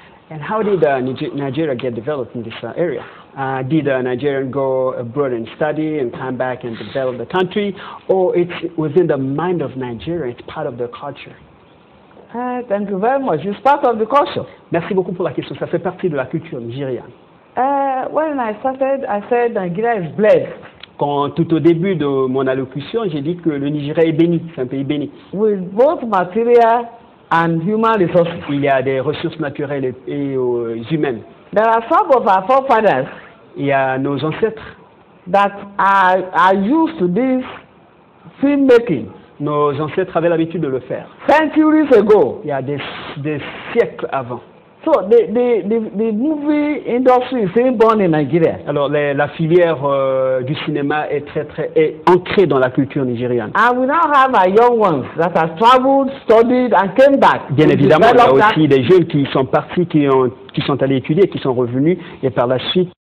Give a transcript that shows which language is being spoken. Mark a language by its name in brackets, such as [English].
[English] And how did Nigeria get developed in this area? Did a Nigerian go abroad and study and come back and develop the country? Or it's within the mind of Nigeria, it's part of their culture? Thank you very much. It's part of the culture. [French] Merci beaucoup pour la question. Ça fait partie de la culture nigériane. [English] When I started, I said Nigeria is blessed. [French] Quand tout au début de mon allocution, j'ai dit que le Nigeria est béni. C'est un pays béni. [English] With both material and human resources. [French] Il y a des ressources naturelles et humaines. [English] There are some of our forefathers. [French] Il y a nos ancêtres. [English] That are used to this filmmaking. [French] Nos ancêtres avaient l'habitude de le faire. [English] Centuries ago. [French] Il y a des siècles avant. [English] So the movie industry is still born in Nigeria. [French] Alors la filière du cinéma est très est ancrée dans la culture nigériane. [English] And we now have our young ones that have traveled, studied, and came back. [French] Bien évidemment, il y a aussi des jeunes qui sont partis, qui sont allés étudier, qui sont revenus et par la suite.